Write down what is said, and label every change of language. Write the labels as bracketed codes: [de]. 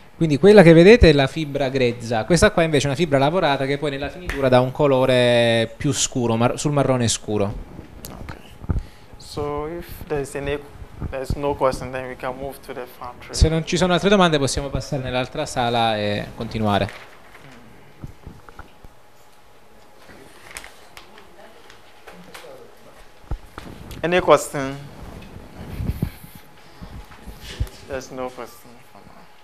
[it] Quindi quella che vedete è la fibra grezza. Questa qua invece è una fibra lavorata che poi nella finitura dà un colore più scuro, sul marrone scuro. [en] Okay. So if there's no question, then we can move to the foundry. [it] Se non ci sono altre domande, possiamo passare nell'altra sala e continuare. [en] Any question? There's no question for now.